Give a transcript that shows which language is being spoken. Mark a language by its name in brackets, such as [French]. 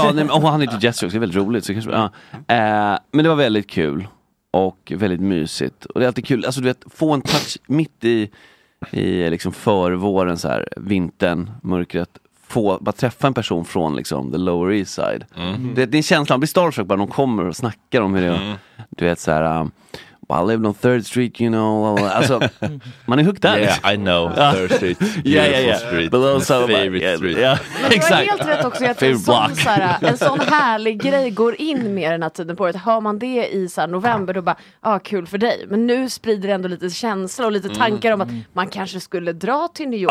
[Swedish] Och han heter Jesse också. Det är väldigt roligt. Så kanske, men det var väldigt kul. Och väldigt mysigt. Och det är alltid kul. Alltså du vet, få en touch mitt i liksom förvåren så här, vintern, mörkret, få bara träffa en person från liksom the Lower East Side. Det är en känsla, man blir starstruck bara när de kommer och snackar om hur det är. Du vet så här, [English] well, I live on 3rd Street, you know. Alltså man är hooked där. Yeah, I know 3rd Street. Beautiful street. My favorite street. [Swedish] Exakt. Det är helt rätt också att en sån härlig grej går in mer den här tiden på året. Hör man det i så här november, då bara, kul för dig. Men nu sprider det ändå lite känsla och lite tankar om att man kanske skulle dra till New York.